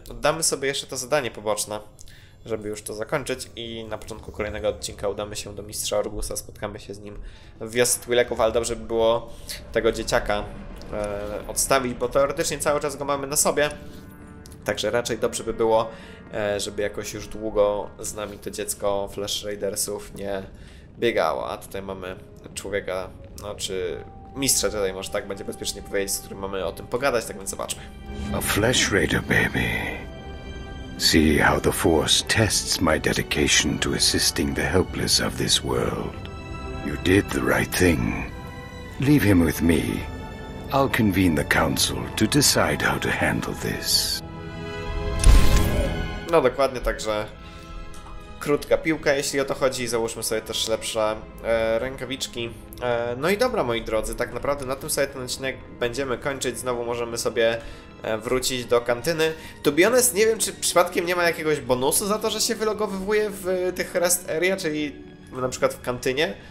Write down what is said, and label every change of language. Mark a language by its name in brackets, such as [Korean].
[Polish] Oddamy sobie jeszcze to zadanie poboczne, żeby już to zakończyć i na początku kolejnego odcinka udamy się do mistrza Orgusa, spotkamy się z nim w wiosce Twi'leków, ale dobrze by było tego dzieciaka odstawić, bo teoretycznie cały czas go mamy na sobie, także raczej dobrze by było, żeby jakoś już długo z nami to dziecko Flash Raidersów nie biegało, a tutaj mamy człowieka, no czy... Mistrza tutaj może tak będzie bezpiecznie powiedzieć, z którym mamy o tym pogadać, tak więc zobaczmy. [English] A Flesh Raider, baby. See how the Force tests my dedication to assisting the helpless of this world. You did the right thing. Leave him with me. I'll convene the council to decide how to handle this. [Polish] No dokładnie, także krótka piłka, jeśli o to chodzi. Załóżmy sobie też lepsze rękawiczki. No i dobra, moi drodzy, tak naprawdę na tym sobie ten odcinek będziemy kończyć. Znowu możemy sobie wrócić do kantyny. [English] To be honest, [Polish] nie wiem, czy przypadkiem nie ma jakiegoś bonusu za to, że się wylogowywuje w tych rest area, czyli na przykład w kantynie.